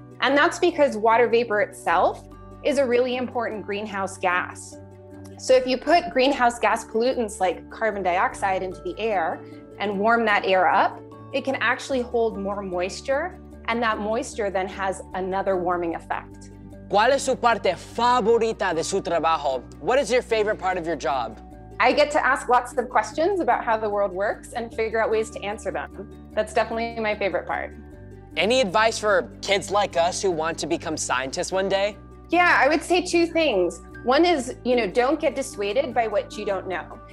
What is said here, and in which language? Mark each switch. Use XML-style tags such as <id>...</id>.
<en>And that's because water vapor itself is a really important greenhouse gas. So if you put greenhouse gas pollutants like carbon dioxide into the air and warm that air up, it can actually hold more moisture. And that moisture then has another warming effect.</en> <es>¿Cuál es su parte favorita de su trabajo?</es> <en>What is your favorite part of your job? I get to ask lots of questions about how the world works and figure out ways to answer them. That's definitely my favorite part. Any advice for kids like us who want to become scientists one day? Yeah, I would say two things. One is, you know, don't get dissuaded by what you don't know.</en>